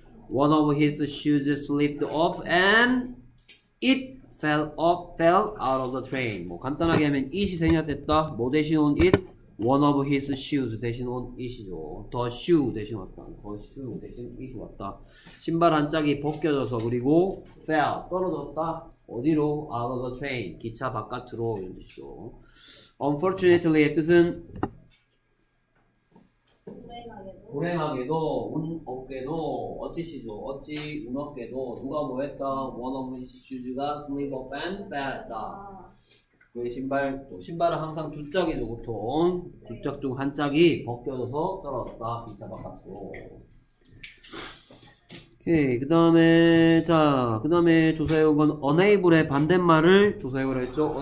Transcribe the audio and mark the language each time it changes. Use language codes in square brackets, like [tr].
[en] One of his shoes slipped off and it fell off, fell out of the train. [ko] 뭐 간단하게 하면 it이 생략됐다. 뭐 대신 온 it? [en] One of his shoes [ko] 대신 온 it이죠. [en] The shoe [ko] 대신 왔다. [en] The shoe 대신 it 왔다. [ko] 신발 한 짝이 벗겨져서 그리고 fell 떨어졌다. 어디로? [en] Out of the train. [ko] 기차 바깥으로. 이런 뜻이죠. Unfortunately의 뜻은 불행하게도 운 없게도 어찌시죠. 어찌 운 없게도 누가 뭐 했다? [en] One of his shoes가 slip off and fell [ko] 했다. 그의 신발, 신발은 항상 두 짝이죠. 보통 두 짝 중 한 짝이 벗겨져서 떨어졌다. 기차 바깥으로. 오케이, 그 다음에 자, 그 다음에 조사해온 건 unable의 반대말을 조사해보라 했죠.